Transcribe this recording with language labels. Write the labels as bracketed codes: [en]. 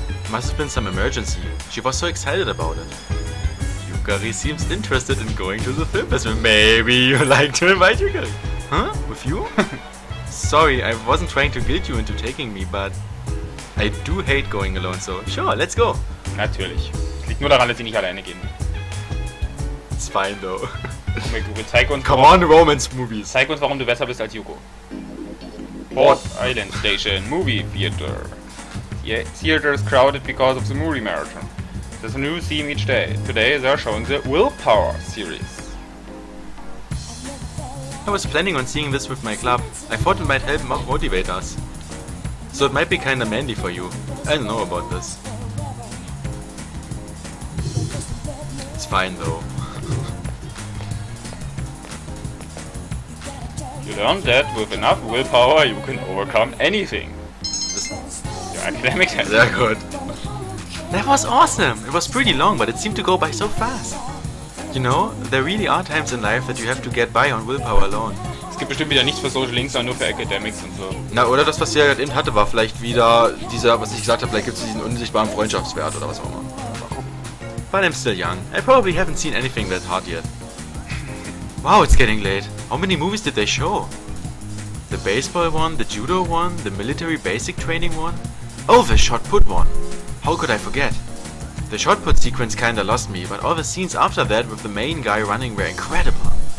[en] Must have been some emergency. She was so excited about it. Yukari seems interested in going to the film festival. Maybe you like to invite Yukari. Huh? With you? Sorry, I wasn't trying to guilt you into taking me, but... I do hate going alone, so sure, let's go! [de] Natürlich. Es liegt nur daran, dass sie nicht alleine gehen. [en] It's fine though. [de] Komm, Google, zeig uns. [en] Come on, Romance Movies! [de] Zeig uns, warum du besser bist als Yuko. [en] Port Island Station Movie Theater. The theater is crowded because of the movie marathon. There's a new theme each day. Today they're showing the Willpower series. I was planning on seeing this with my club. I thought it might help motivate us. So it might be kinda mandy for you. I don't know about this. It's fine though. You learned that with enough willpower you can overcome anything. Your academic test. [de] Sehr gut. [en] That was awesome! It was pretty long, but it seemed to go by so fast. You know, there really are times in life that you have to get by on willpower alone. [de] Es gibt bestimmt wieder nichts für Social Links, sondern nur für Academics und so. Na, oder das, was sie ja gerade eben hatte, war vielleicht wieder dieser, was ich gesagt habe, vielleicht gibt es diesen unsichtbaren Freundschaftswert oder was auch immer. [en] But I'm still young. I probably haven't seen anything that hard yet. Wow, it's getting late. How many movies did they show? The baseball one, the judo one, the military basic training one? Oh, the shot put one. How could I forget? The shot put sequence kinda lost me, but all the scenes after that with the main guy running were incredible.